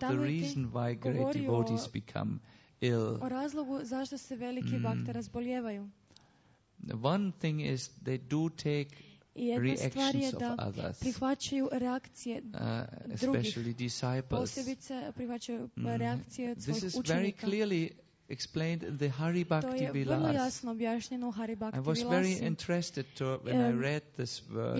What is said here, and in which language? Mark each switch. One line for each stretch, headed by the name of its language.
English: the reason why great devotees become ill.
Croatian: O razlogu zašto se veliki bhakte razboljevaju.
English: One thing is they do take reactions of others.
Croatian: Prihvaćaju reakcije drugih.
English: Especially disciples.
Croatian: Posebice prihvaćaju reakcije od svojih učenika.
English: This is very clearly explained in the Hari Bhakti Vilas. I was very interested to, when I read this verse.